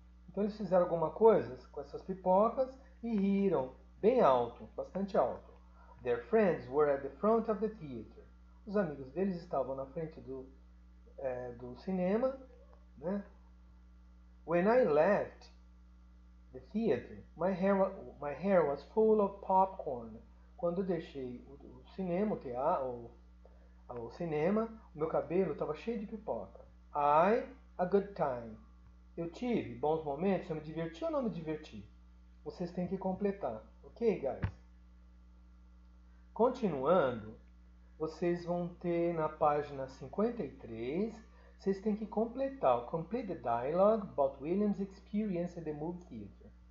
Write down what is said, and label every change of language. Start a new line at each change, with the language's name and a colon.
Portuguese: Então, eles fizeram alguma coisa com essas pipocas e riram bem alto, bastante alto.
English: Their friends were at the front of the theater.
Portuguese: Os amigos deles estavam na frente do cinema, né?
English: When I left the theater, my hair was full of popcorn.
Portuguese: Quando eu deixei o cinema, o cinema, o meu cabelo estava cheio de pipoca.
English: I, a good time.
Portuguese: Eu tive bons momentos, eu me diverti ou não me diverti? Vocês têm que completar, ok, guys? Continuando, vocês vão ter na página 53, vocês têm que completar o
English: Complete the Dialogue about William's Experience at the Movie Theater.